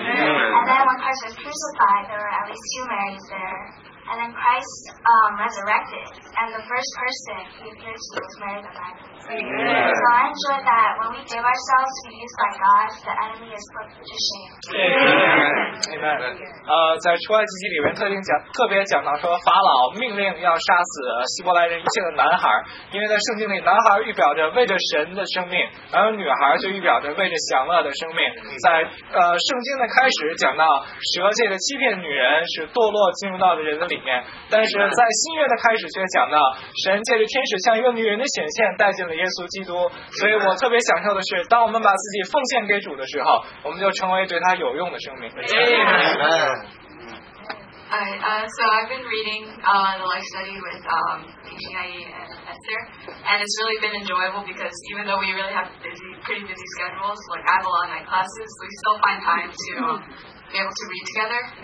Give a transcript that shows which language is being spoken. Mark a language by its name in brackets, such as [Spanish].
[English] And then when Christ was crucified, there were at least two Marys there. And then Christ resurrected, and the first person he appeared to was Mary the Magdalene. Amen. So I enjoy that when we give ourselves to be used by God, the enemy is put to shame. Amen. Amen. [Chinese] 在出埃及记里面特别讲到说法老命令要杀死希伯来人一切的男孩，因为在圣经里男孩预表着为着神的生命，而女孩就预表着为着享乐的生命。在圣经的开始讲到蛇界的欺骗女人是堕落进入到了人的里面，但是在新约的开始却讲到神借着天使向一个女人的显现带进了耶稣基督。所以我特别享受的是，当我们把自己奉献给主的时候，我们就成为对他有用的生命。 [English] Amen. So I've been reading the life study with PGIE and Esther, and it's really been enjoyable because even though we really have pretty busy schedules, like I have a lot of night classes, we still find time to be able to read together.